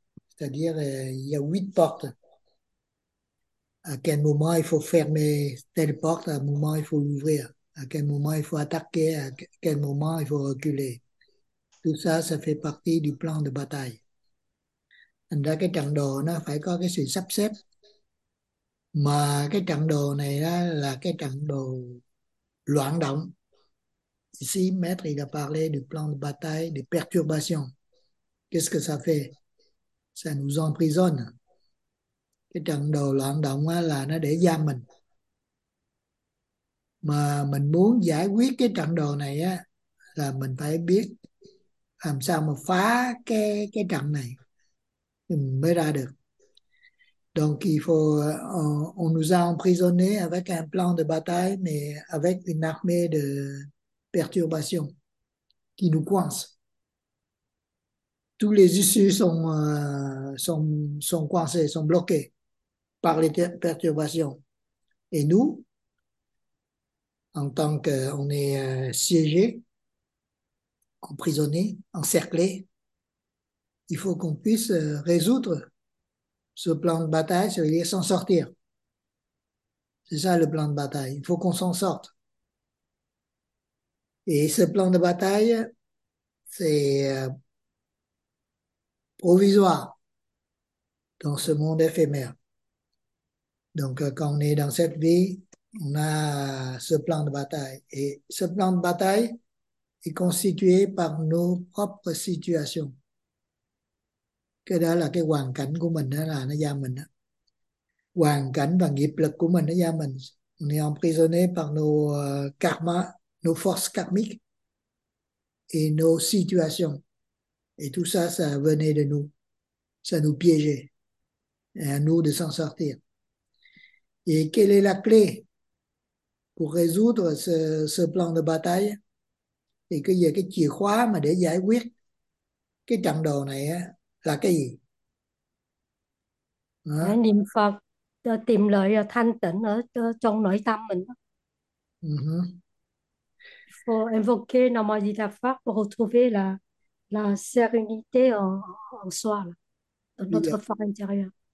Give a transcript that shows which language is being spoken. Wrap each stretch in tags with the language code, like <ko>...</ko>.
<fr>C'est-à-dire, il y a 8 portes. À quel moment il faut fermer telle porte, à quel moment il faut l'ouvrir, à quel moment il faut attaquer, à quel moment il faut reculer. Tout ça, ça fait partie du plan de bataille.</fr> <vi>Thành ra cái trận đồ nó phải có cái sự sắp xếp. Mà cái trận đồ này đó là cái trận đồ loạn động.</vi> <fr>Ici, maître, il a parlé du plan de bataille, des perturbations. Qu'est-ce que ça fait? Ça nous emprisonne.</fr> <vi>Cái trận đồ loạn động á, là nó để giam mình. Mà mình muốn giải quyết cái trận đồ này á, là mình phải biết làm sao mà phá cái trận này mới ra được.</vi> <fr>Donc il faut on nous a emprisonné avec un plan de bataille mais avec une armée de perturbations qui nous coince. Tous les issues sont coincées, sont bloquées par les perturbations. Et nous, en tant qu'on est siégés, emprisonnés, encerclés, il faut qu'on puisse résoudre ce plan de bataille, c'est-à-dire s'en sortir. C'est ça le plan de bataille. Il faut qu'on s'en sorte. Et ce plan de bataille, c'est provisoire dans ce monde éphémère. Donc, quand on est dans cette vie, on a ce plan de bataille. Et ce plan de bataille est constitué par nos propres situations.</fr> <vi>Cái đó là cái hoàn cảnh của mình đó, là nó giam mình đó. Hoàn cảnh và nghiệp lực của mình nó giam mình.</vi> <fr>On est emprisonné par nos karma, nos forces karmiques et nos situations. Et tout ça venait de nous. Ça nous piégeait. Et à nous de s'en sortir. Et quelle est la clé pour résoudre ce plan de bataille? Et qu'il y a</fr> <vi>cái chìa khóa mà để giải quyết cái trận đồ này á, là cái gì? Là Đó. niệm Phật, tìm lại thanh tịnh ở trong nội tâm mình.</vi> <fr>For invoquer la magie de la Pháp pour retrouver la sérénité en soi, dans notre Phật intérieur.</fr>